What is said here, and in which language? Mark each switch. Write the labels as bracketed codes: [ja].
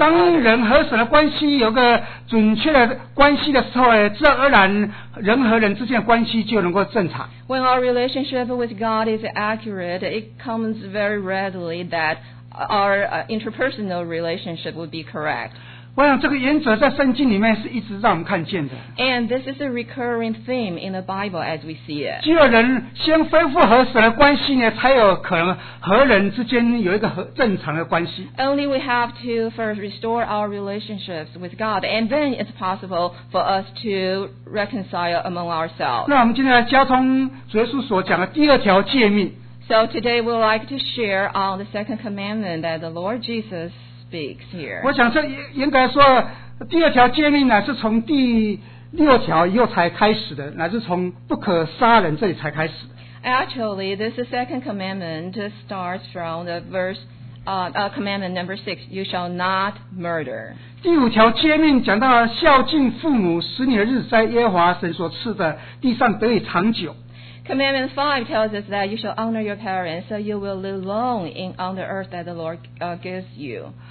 [zh] 当人和神的关系有个准确的关系的时候，自然而然人和人之间的关系就能够正常。 [en] When our relationship with God is accurate, it comes very readily that our interpersonal relationship would be correct. [zh] 我想这个原则在圣经里面是一直让我们看见的。 [en] And this is a recurring theme in the Bible as we see it. [zh] 只有人先恢复和神的关系呢，才有可能和人之间有一个正常的关系。 [en] Only we have to first restore our relationships with God, and then it's possible for us to reconcile among ourselves. [zh] 那我们今天来交通主耶稣所讲的第二条诫命。 [en] So today we'd like to share on the second commandment that the Lord Jesus speaks here. [zh] 我想这应该说第二条诫命乃是从第六条又才开始的，乃是从不可杀人这里才开始的。 [en] Actually, this second commandment starts from the commandment number 6, you shall not murder. [zh] 第五条诫命讲到孝敬父母，使你的日子在耶和华神所赐的地上得以长久。 [en] Commandment 5 tells us that you shall honor your parents so you will live long on the earth that the Lord gives you.